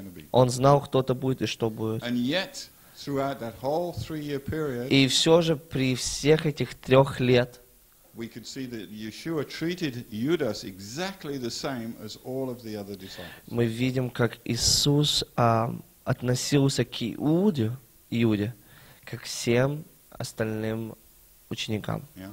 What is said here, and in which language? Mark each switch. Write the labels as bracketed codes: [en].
[ru] Он знал, кто это будет и что будет. И все же, при всех этих трех лет, [en] we could see that Yeshua treated Judas exactly the same as all of the other disciples. [ru] Мы видим, как Иисус относился к Иуде, Иуде, как всем остальным ученикам.